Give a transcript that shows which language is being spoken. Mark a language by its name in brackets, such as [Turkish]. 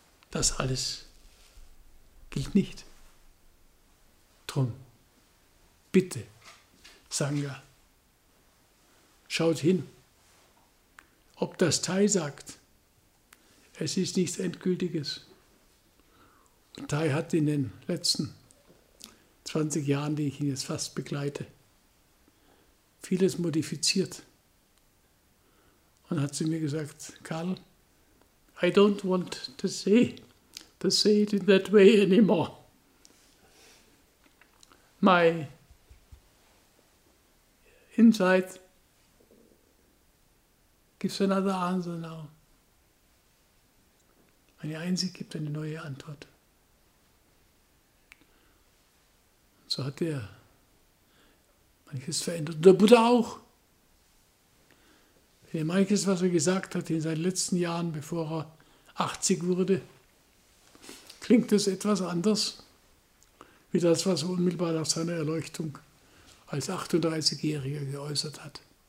[German] Das alles gilt nicht. Drum, bitte, Sangha, schaut hin, ob das Thai sagt, es ist nichts Endgültiges. Und Thai hat in den letzten 20 Jahren, die ich ihn jetzt fast begleite, vieles modifiziert und hat zu mir gesagt, Karl, [English] I don't want to say to say it in that way anymore. My insight gives another answer now. [German] Meine Einsicht gibt eine neue Antwort. Und so hat er manches verändert. Und der Buddha auch. Wenn er manches, was er gesagt hat in seinen letzten Jahren, bevor er 80 wurde, klingt es etwas anders, wie das, was er unmittelbar nach seiner Erleuchtung als 38-Jähriger geäußert hat.